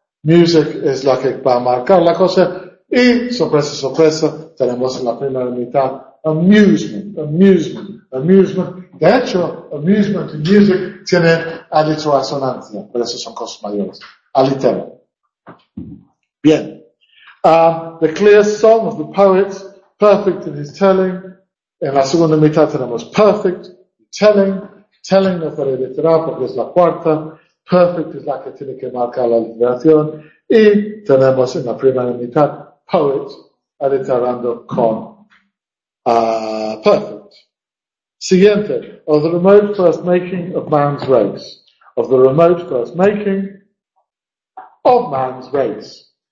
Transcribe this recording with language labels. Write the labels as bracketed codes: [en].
[es] Music es la que va a marcar la cosa. Y, sorpresa, sorpresa, tenemos en la primera mitad amusement, amusement, amusement. De hecho, amusement y music tienen aliteroasonancia, pero esas son cosas mayores. Alitero. Bien. [en] The clear song of the poets, perfect in his telling. [es] En la segunda mitad tenemos perfect, telling. Telling no puede aliterar porque es la cuarta. Perfect es la que tiene que marcar la aliteración. Y tenemos en la primera mitad poets aliterando con perfect. Siguiente, [en] of the remote first making of man's race. Of the remote first making of man's race.